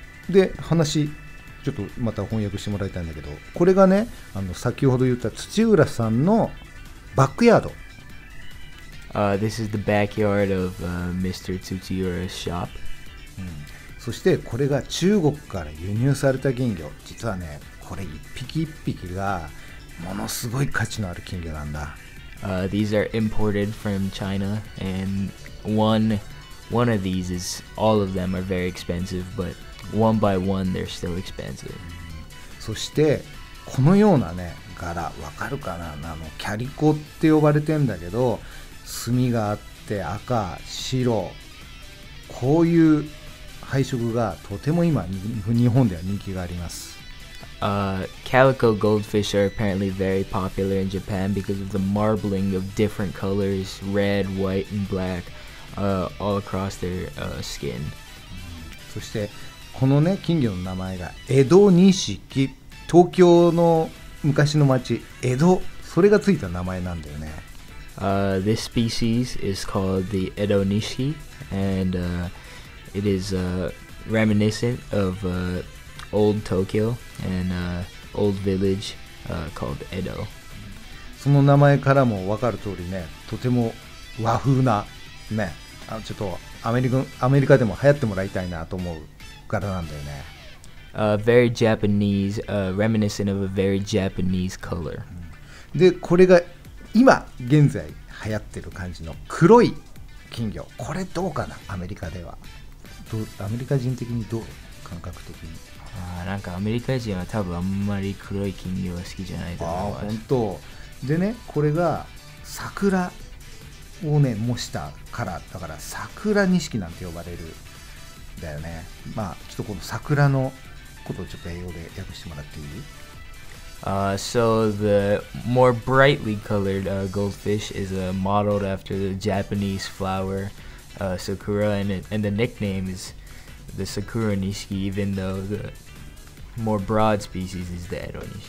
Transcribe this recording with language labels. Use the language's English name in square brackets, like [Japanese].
[Japanese] で、話ちょっとまた翻訳してもらいたいんだけど、これがね、先ほど言った土浦さんのバックヤード。 [English] This is the backyard of Mr. Tsuchiura's shop.、 [Japanese] そしてこれが中国から輸入された金魚。実はね、これ一匹一匹がものすごい価値のある金魚なんだ。 [English] These are imported from China, and one of these is, all of them are very expensive, butOne by one, they're still expensive. [Japanese] そしてこのようなね、柄わかるかな、キャリコって呼ばれてんだけど、墨があって赤、白、こういう配色がとても今日本では人気があります。 [English] Calico goldfish are apparently very popular in Japan because of the marbling of different colors, red, white, and black, all across their skin. [Japanese] そしてこのね金魚の名前が江戸錦、東京の昔の町江戸、それがついた名前なんだよね。 [English] This species is called the Edo Nishiki, and it is reminiscent of old Tokyo and old village called Edo. [Japanese] その名前からも分かる通りね、とても和風なね、あちょっとアメリカでも流行ってもらいたいなと思う柄なんだよね。 [English] Very Japanese, reminiscent of a very Japanese color. [Japanese] でこれが今現在流行ってる感じの黒い金魚、これどうかな、アメリカでは。アメリカ人的にどう、感覚的に。あ、なんかアメリカ人は多分あんまり黒い金魚は好きじゃないと思います。あ、本当。でね、これが桜をね模したカラーだから、桜錦なんて呼ばれるだよね。まあちょっとこの桜のことをちょっと英語で訳してもらっていい？ [English] So the more brightly colored goldfish is modeled after the Japanese flower sakura, and the nickname is the sakura nishiki, even though the more broad species is the Edo nishiki.